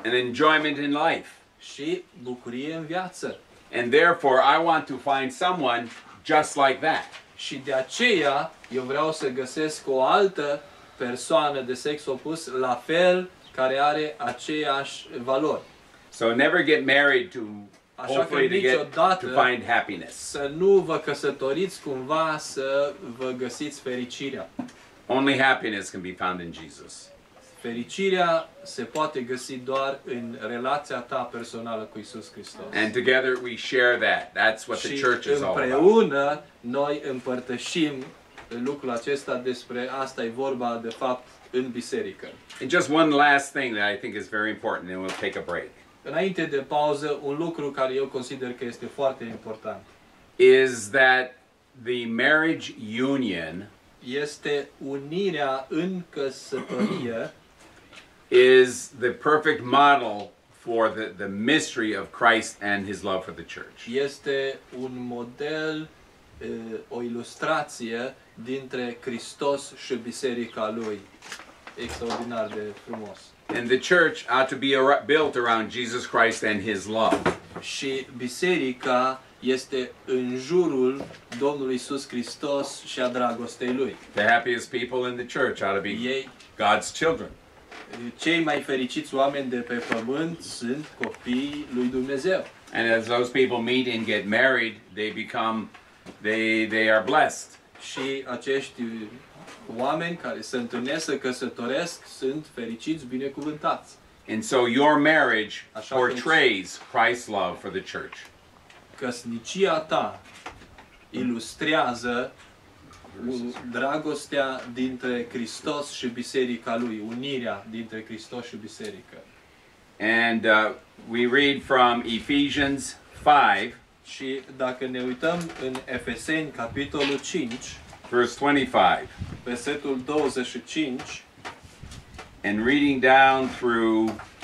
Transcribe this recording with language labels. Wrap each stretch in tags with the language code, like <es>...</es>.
<en>And enjoyment in life.</en> <ro>Și bucurie în viață.</ro> <en>And therefore I want to find someone just like that.</en> <ro>Și de aceea eu vreau să găsesc o altă persoană de sex opus la fel care are aceeași valori.</ro> <en>So never get married to hopefully to find happiness.</en> <ro>Să nu vă căsătoriți cumva să vă găsiți fericirea.</ro> <en>Only happiness can be found in Jesus.</en> <ro>Fericirea se poate găsi doar în relația ta personală cu Iisus Hristos.</ro> <en>And together we share that. That's what the church is all about.</en> <ro>Și împreună noi împărtășim lucrul acesta, despre asta e vorba de fapt în biserică.</ro> <en>And just one last thing that I think is very important and we'll take a break.</en> <ro>Înainte de pauză, un lucru care eu consider că este foarte important.</ro> <en>Is that the marriage union</en> <ro>este unirea în căsătorie</ro> <en>is the perfect model for the mystery of Christ and his love for the church.</en> <ro>Este un model, o ilustrație dintre Hristos și biserica lui. Extraordinar de frumos.</ro> <en>And the church ought to be built around Jesus Christ and his love.</en> <ro>Și biserica este în jurul Domnului Iisus Hristos și a dragostei lui.</ro> <en>The happiest people in the church ought to be God's children.</en> <ro>Cei mai fericiți oameni de pe pământ sunt copiii lui Dumnezeu.</ro> <en>And as those people meet and get married, they are blessed.</en> <ro>Și acești oameni care se întâlnesc, se căsătoresc, sunt fericiți, binecuvântați.</ro> <en>And so your marriage portrays Christ's love for the church.</en> <ro>Căsnicia ta ilustrează dragostea dintre Hristos și biserica lui, unirea dintre Hristos și biserică.</ro> <en>And we read from Ephesians 5,</en> <ro>și dacă ne uităm în Efeseni capitolul 5,</ro> <en>verse 25,</en> <ro>versetul 25,</ro> <en>and reading down through,</en>